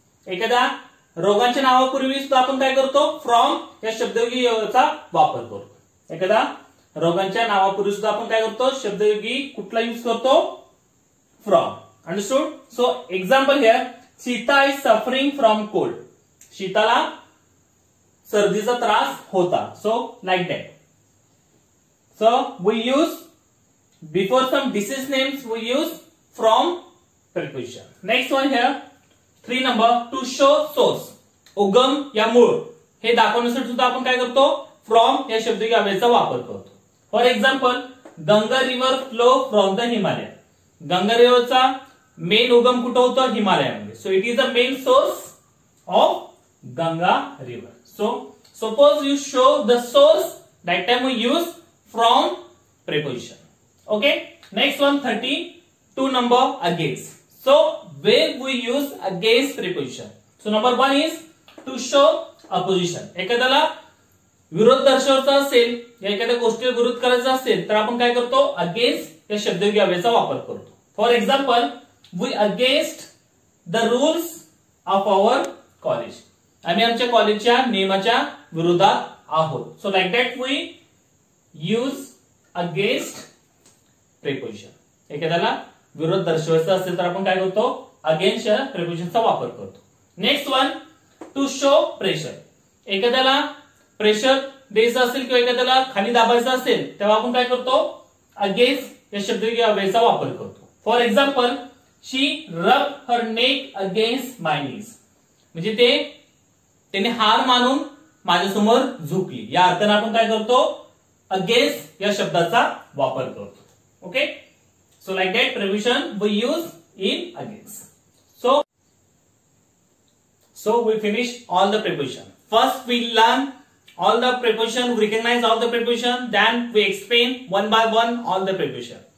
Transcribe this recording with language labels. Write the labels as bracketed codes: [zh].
[mr] एखाद्या रोगांच्या नावापूर्वी सुद्धा आपण काय करतो, फ्रॉम या शब्दयोगी अव्ययचा वापर करतो. एखाद्या रोगांच्या नावापूर्वी सुद्धा आपण काय करतो, शब्दयोगी कुठला युज करतो, from. Understood? [en] So example here, Sita is suffering from cold. [mr] शीताला सर्दीचा त्रास होता. [en] So like that. So we use before some disease names we use from preposition. Next one here, three number, to show source, [mr] उगम या मूळ हे दाखवण्यासाठी सुद्धा आपण काय करतो, फ्रॉम या शब्दाच्या अव्ययचा वापर करतो. [en] For example, Ganga river flow from the Himalaya. [mr] Ganga रिव्हरचा main उगम कुठं होतो, हिमालयामध्ये. [en] So it is the main source of Ganga river. So suppose you show the source, that time we use from preposition. Okay, next one, 32 number, against. So where we use against preposition. So number one is to show opposition. [mr] एखाद्याला विरोध दर्शवायचा असेल, एखाद्या गोष्टीवर विरोध करायचा असेल, तर आपण काय करतो, अगेन्स्ट या शब्दयोगी अव्ययचा वापर करतो. [en] For example, we against the rules of our college. [mr] आम्ही आमच्या कॉलेजच्या नियमाच्या विरोधात आहोत. [en] So like that we use against preposition. [mr] एखाद्याला विरोध दर्शवायचा असेल तर आपण काय करतो, अगेन्स्ट या प्रेपोजिशनचा वापर करतो. [en] Next one, to show pressure. [mr] एखाद्याला प्रेशर द्यायचं असेल किंवा एखाद्याला खाली दाबायचं असेल, तेव्हा आपण काय करतो, अगेन्स्ट या शब्दयोगी अव्ययचा वापर करतो. [en] For example, she rub her neck against my knees. [mr] म्हणजे ते त्याने हार मानून माझ्यासमोर झुकली, या अर्थाने आपण काय करतो, अगेन्स्ट या शब्दाचा वापर करतो. [en] Okay, so like that preposition we use in against. So we finish all the preposition. First we learn all the preposition, we recognize all the preposition, then we explain one by one all the preposition.